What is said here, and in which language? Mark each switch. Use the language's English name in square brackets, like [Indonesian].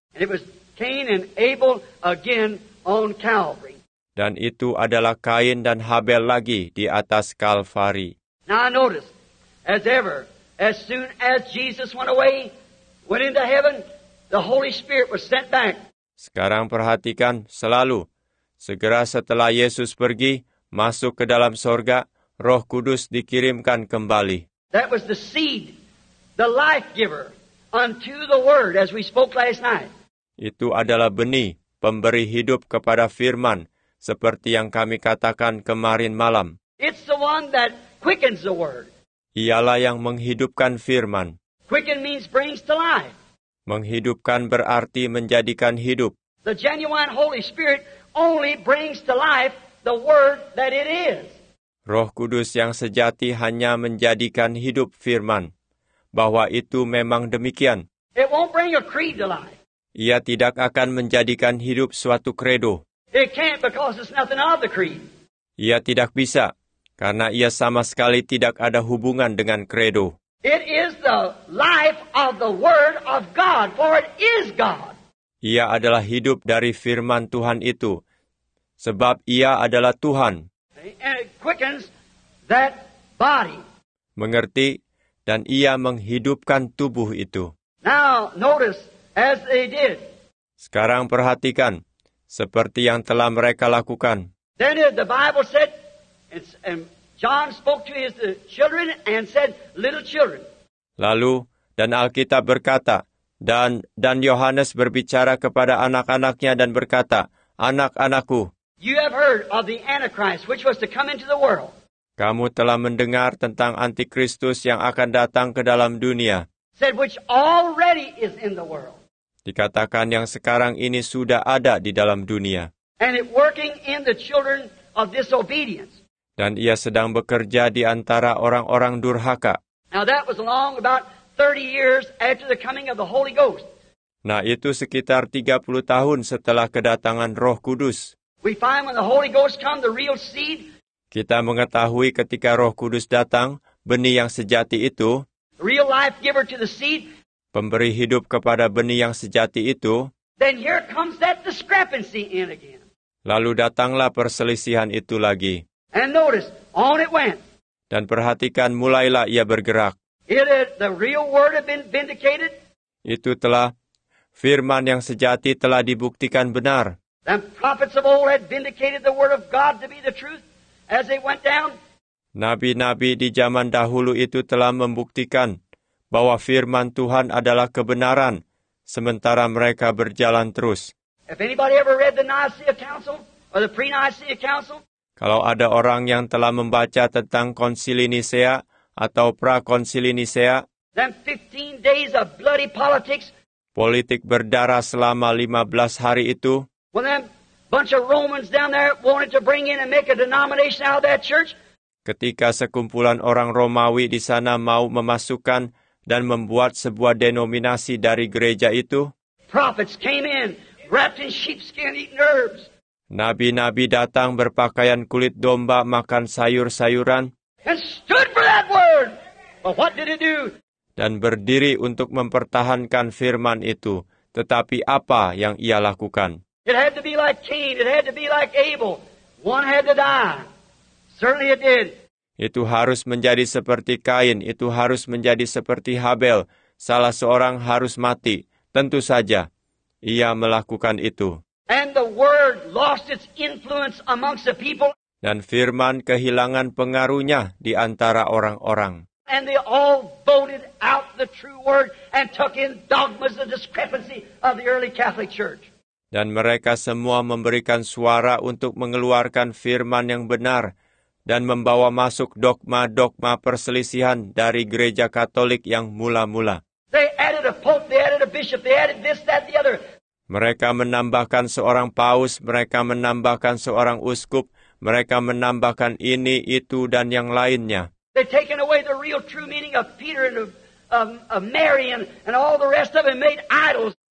[English] And it was Cain and Abel again on Calvary. [Indonesian] Dan itu adalah Kain dan Habel lagi di atas Kalvari. [English] Now notice, as ever, as soon as Jesus went away, went into heaven, the Holy Spirit was sent back. [Indonesian] Sekarang perhatikan selalu, segera setelah Yesus pergi, masuk ke dalam sorga, Roh Kudus dikirimkan kembali. [English] That was the seed, the life giver, unto the word, as we spoke last night. [Indonesian] Itu adalah benih, pemberi hidup kepada firman, seperti yang kami katakan kemarin malam. [English] It's the one that quickens the word. [Indonesian] Ialah yang menghidupkan firman. [English] Quicken means brings to life. [Indonesian] Menghidupkan berarti menjadikan hidup. [English] The genuine Holy Spirit only brings to life the word that it is. [Indonesian] Roh Kudus yang sejati hanya menjadikan hidup firman. Bahwa itu memang demikian. [English] It won't bring a creed to life. [Indonesian] Ia tidak akan menjadikan hidup suatu kredo. [English] It can't because it's nothing of the creed. [Indonesian] Ia tidak bisa, karena ia sama sekali tidak ada hubungan dengan credo. [English] It is the life of the Word of God, for it is God. [Indonesian] Ia adalah hidup dari firman Tuhan itu, sebab ia adalah Tuhan. [English] And it quickens that body. [Indonesian] Mengerti, dan ia menghidupkan tubuh itu. [English] Now, notice, as they did. [Indonesian] Sekarang perhatikan, seperti yang telah mereka lakukan. [English] Then the Bible said, and John spoke to his children and said, little children. [Indonesian] Lalu, dan Alkitab berkata, dan Yohanes berbicara kepada anak-anaknya dan berkata, anak-anakku. [English] You have heard of the Antichrist, which was to come into the world. [Indonesian] Kamu telah mendengar tentang Antikristus yang akan datang ke dalam dunia. [English] Said which already is in the world. [Indonesian] Dikatakan yang sekarang ini sudah ada di dalam dunia. [English] And it working in the children of disobedience. [Indonesian] Dan ia sedang bekerja di antara orang-orang durhaka. [English] Now that was long about 30 years after the coming of the Holy Ghost. [Indonesian] Nah, itu sekitar 30 tahun setelah kedatangan Roh Kudus. [English] We find when the Holy Ghost comes, the real seed. [Indonesian] Kita mengetahui ketika Roh Kudus datang, benih yang sejati itu, [English] real life giver to the seed, [Indonesian] pemberi hidup kepada benih yang sejati itu, [English] then here comes that discrepancy in again. [Indonesian] Lalu datanglah perselisihan itu lagi. [English] And notice, on it went. [Indonesian] Dan perhatikan, mulailah ia bergerak. [English] The real word had been vindicated. [Indonesian] Itu telah, firman yang sejati telah dibuktikan benar. [English] The prophets of old had vindicated the word of God to be the truth. As they went down, [Indonesian] nabi-nabi di zaman dahulu itu telah membuktikan bahwa firman Tuhan adalah kebenaran sementara mereka berjalan terus. [English] If anybody ever read the Nicaea Council or the pre-Nicaea Council, [Indonesian] kalau ada orang yang telah membaca tentang Konsili Nicea atau pra-Konsili Nicea, [English] then 15 days of bloody politics, [Indonesian] politik berdarah selama 15 hari itu. [English] Well then, bunch of Romans down there wanted to bring in and make a denomination out of that church. [Indonesian] Ketika sekumpulan orang Romawi di sana mau memasukkan dan membuat sebuah denominasi dari gereja itu. [English] Prophets came in wrapped in sheepskin eating herbs. [Indonesian] Nabi-nabi datang berpakaian kulit domba makan sayur-sayuran. [English] And stood for that word. But what did it do? [Indonesian] Dan berdiri untuk mempertahankan firman itu. Tetapi apa yang ia lakukan? [English] It had to be like Cain. It had to be like Abel. One had to die. Certainly it did. [Indonesian] Itu harus menjadi seperti Kain. Itu harus menjadi seperti Habel. Salah seorang harus mati. Tentu saja, ia melakukan itu. [English] And the word lost its influence amongst the people. [Indonesian] Dan firman kehilangan pengaruhnya di antara orang-orang. [English] And they all voted out the true word and took in dogmas of discrepancy of the early Catholic Church. [Indonesian] Dan mereka semua memberikan suara untuk mengeluarkan firman yang benar dan membawa masuk dogma-dogma perselisihan dari gereja Katolik yang mula-mula. [English] They added a pope, they added a bishop, they added this, that, the other. [Indonesian] Mereka menambahkan seorang paus, mereka menambahkan seorang uskup, mereka menambahkan ini, itu, dan yang lainnya. [English] They've taken away the real true meaning of Peter and of Mary and all the rest of them, made idols.